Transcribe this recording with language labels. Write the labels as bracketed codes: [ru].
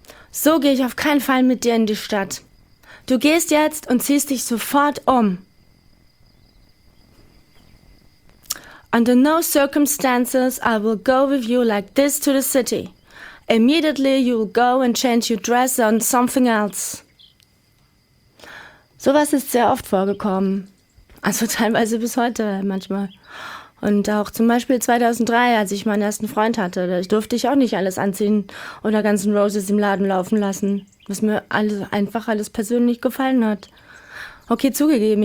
[de] So gehe ich auf keinen Fall mit dir in die Stadt. Du gehst jetzt und ziehst dich sofort um. [en] Under no circumstances I will go with you like this to the city. Immediately you will go and change your dress on something else. [de] Sowas ist sehr oft vorgekommen. Also teilweise bis heute manchmal. Und auch zum Beispiel 2003, als ich meinen ersten Freund hatte, da durfte ich auch nicht alles anziehen oder ganzen Roses im Laden laufen lassen, was mir alles persönlich gefallen hat. Okay, zugegeben.